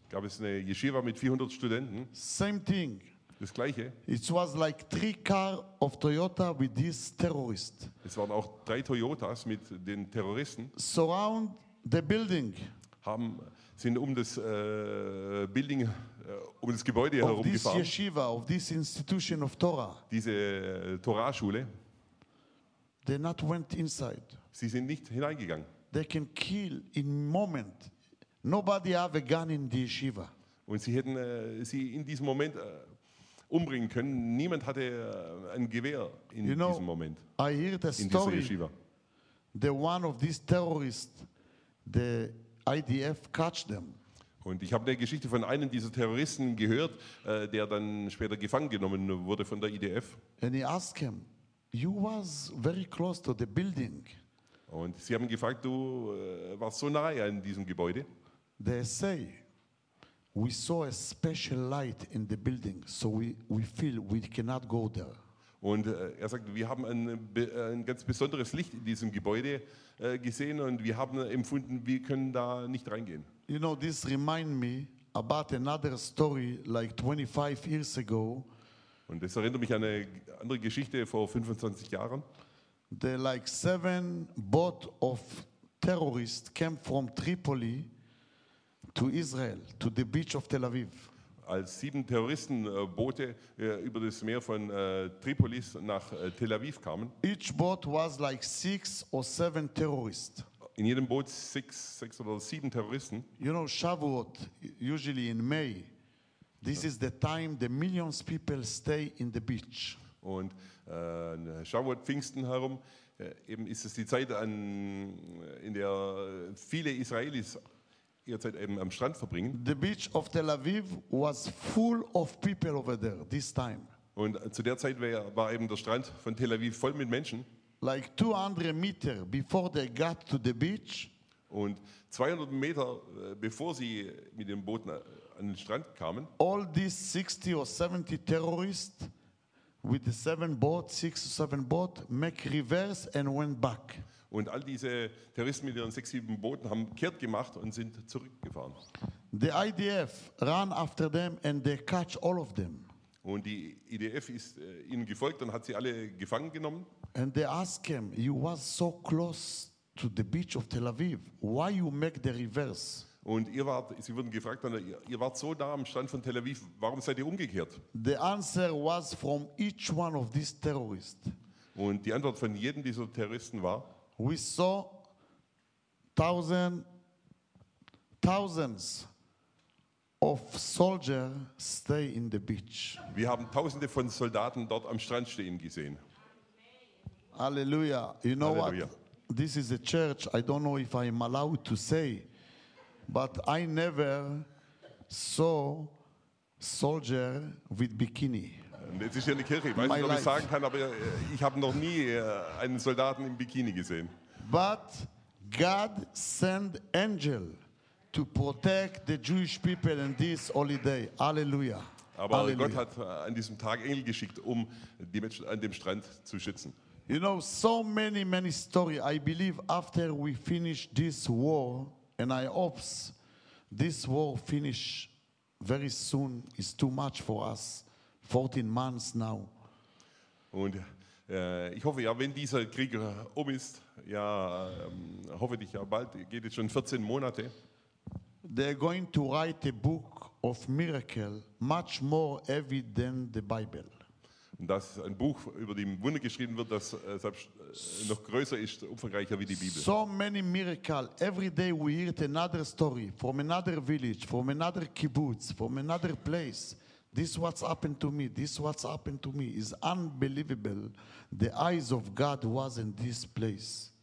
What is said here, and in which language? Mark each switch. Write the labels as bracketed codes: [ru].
[de] Gab es eine Yeshiva mit 400 Studenten? [en] Same thing. [de] Das Gleiche. [en] It was like 3 cars of Toyota with these terrorists. [de] Es waren auch 3 Toyotas mit den Terroristen. [en] Surround the building. [de] Haben sind um das Building, um das Gebäude herumgefahren. [en] Of this yeshiva, of this institution of Torah. [de] Diese Torah-Schule. [en] They not went inside. [de] Sie sind nicht hineingegangen. [en] They can kill in moment. Nobody have a gun in the yeshiva. [de] Und sie hätten sie in diesem Moment umbringen können. Niemand hatte ein Gewehr in [en] you know, [de] diesem Moment. [en] I hear the story. Yeshiva. The one of these terrorists, the IDF catch them. [de] Und ich habe eine Geschichte von einem dieser Terroristen gehört, der dann später gefangen genommen wurde von der IDF. [en] And he asked him, you was very close to the building. [de] Und sie haben gefragt, du warst so nahe an diesem Gebäude. [en] They say, we saw a special light in the building, so we feel we cannot go there. [de] Und er sagt, wir haben ein ganz besonderes Licht in diesem Gebäude gesehen und wir haben empfunden, wir können da nicht reingehen. [en] You know, this remind me about another story like 25 years ago. [de] Und das erinnert mich an eine andere Geschichte vor 25 Jahren. [en] The like 7 boat of terrorists came from Tripoli to Israel, to the beach of Tel Aviv. [de] Als 7 Terroristenboote über das Meer von Tripolis nach Tel Aviv kamen. [en] Each boat was like 6 or 7 terrorists. [de] In jedem Boot 6 oder 7 Terroristen. [en] You know, Shavuot, usually in May, this is the time the millions of people stay in the beach. [de] Und Shavuot, Pfingsten herum, eben ist es die Zeit, in der viele Israelis ihre Zeit eben am Strand verbringen. [en] The beach of Tel Aviv was full of people over there this time. [de] Und zu der Zeit war eben der Strand von Tel Aviv voll mit Menschen. [en] Like 200 Meter before they got to the beach. [de] Und 200 Meter bevor sie mit dem Boot an den Strand kamen. [en] All these 60 or 70 terrorists with the 7 boats, 6 or 7 boats, make reverse and went back. [de] Und all diese Terroristen mit ihren 6, 7 Booten haben kehrt gemacht und sind zurückgefahren. [en] The IDF ran after them and they catch all of them. [de] Und die IDF ist ihnen gefolgt und hat sie alle gefangen genommen. [en] And they ask him, you was so close to the beach of Tel Aviv, why you make the reverse? [de] Und sie wurden gefragt, ihr wart so nah am Strand von Tel Aviv, warum seid ihr umgekehrt? [en] The answer was from each one of these terrorists. [de] Und die Antwort von jedem dieser Terroristen war, [en] we saw thousands of soldiers stay in the beach. [de] Wir haben tausende von Soldaten dort am Strand stehen gesehen. [en] Hallelujah. You know Halleluja. What? This is a church. I don't know if I'm allowed to say, but I never saw soldier with bikini. [de] Jetzt ist hier eine Kirche. Ich weiß nicht, ob ich sagen kann, aber ich habe noch nie einen Soldaten im Bikini gesehen. [en] But God sent angel to protect the Jewish people in this holiday. Hallelujah. [de] Aber Halleluja. Gott hat an diesem Tag Engel geschickt, um die Menschen an dem Strand zu schützen. [en] You know, so many, many stories. I believe after we finish this war, and I hope this war finish very soon, is too much for us. 14 months now. [de] Und ich hoffe ja, wenn dieser Krieg um ist, ja, hoffe ich ja bald, geht jetzt schon 14 Monate. [en] They're going to write a book of miracle, much more heavy than the Bible. [de] Und dass ein Buch über die Wunder geschrieben wird, das selbst noch größer ist, umfangreicher wie die Bibel. [en] So many miracles. Every day we hear another story from another village, from another kibbutz, from another place. This what's happened to me. This what's happened to me is unbelievable. The eyes of God was in this place.